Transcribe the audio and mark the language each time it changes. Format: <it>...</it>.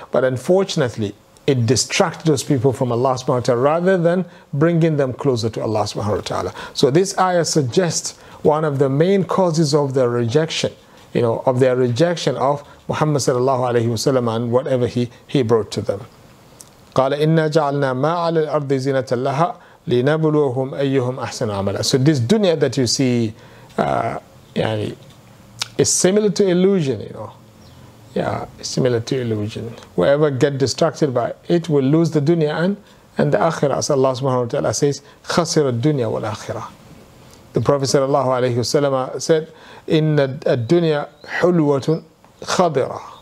<en>But unfortunately, it distracted those people from Allah subhanahu wa ta'ala rather than bringing them closer to Allah subhanahu wa ta'ala. So this ayah suggests one of the main causes of their rejection, you know, of their rejection of Muhammad sallallahu alayhi wa sallam and whatever he brought to them.</en> <ar>قال إنا جعلنا ما على الأرض زينة لها لنبلوهم أيهم أحسن عملا.</ar> <en>So this dunya that you see, yani, is similar to illusion, you know. Yeah, similar to illusion. Whoever get distracted by it will lose the dunya and the akhirah. As Allah subhanahu wa ta'ala says,</en> <ar>خسر الدنيا والآخرة.</ar> <en>The Prophet sallallahu alayhi wa sallam said,</en> <ar>إن الدنيا حلوة خضرة.</ar>